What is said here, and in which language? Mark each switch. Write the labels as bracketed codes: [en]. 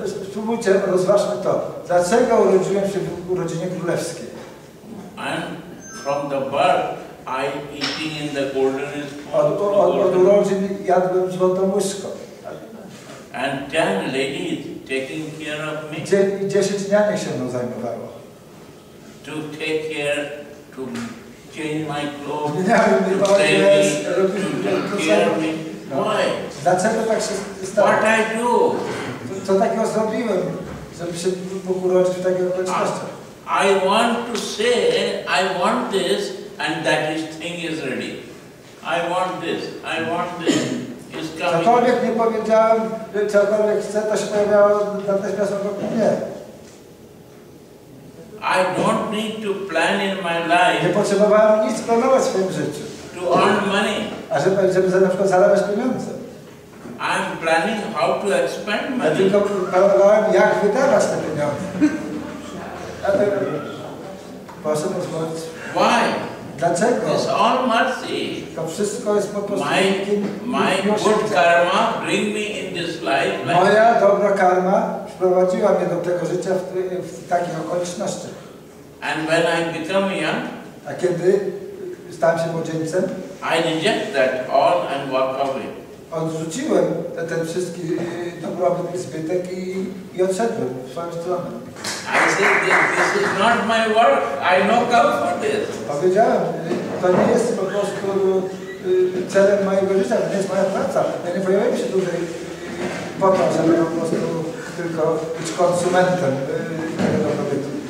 [pl] Spróbujcie, rozważmy to. Dlaczego urodziłem się w urodzinie królewskiej? [en] And from the birth, I eating in the golden spoon. [pl] Od urodzin jadłem złotą łyżką. [en] And 10 ladies taking care of me. [pl] 10 nianek się mną zajmowało. [en] To take care, to change my clothes, [pl] Dlaczego tak się stało? [en] What I do? [pl] Co takiego zrobiłem, żeby się mógł urodzić w takiej okolicznościach? [en] I want to say, I want this, and that is thing is ready. I want this, is coming. [pl] Cokolwiek nie powiedziałem, że cokolwiek chcę, to się pojawiało natychmiast obok mnie. [en] I don't need to plan in my life. [pl] Nie potrzebowałem nic planować w swoim życiu. [en] To earn money. [pl] A żeby na przykład zarabiać pieniądze. [en] I'm planning how to expand money. [pl] Ja tylko planowałem, jak wydawać te pieniądze. Proszę pozwolić. [en] Why? [pl] Dlaczego? [en] It's all mercy. [pl] To wszystko jest po prostu [en] my good karma bring me in this life. [pl] Moja dobra karma wprowadziła mnie do tego życia w takich okolicznościach. [en] And when I become young, [pl] a kiedy stałem się młodzieńcem, [en] I reject that all and walk away. [pl] Odrzuciłem ten wszystki dobrobyt i zbytek i odszedłem w swoją stronę. [en] I said, this is not my work, I no come for this. [pl] Powiedziałem, to nie jest po prostu celem mojego życia, to nie jest moja praca. Ja nie pojawiłem się tutaj po to, żeby po prostu tylko być konsumentem tego dobrobytu.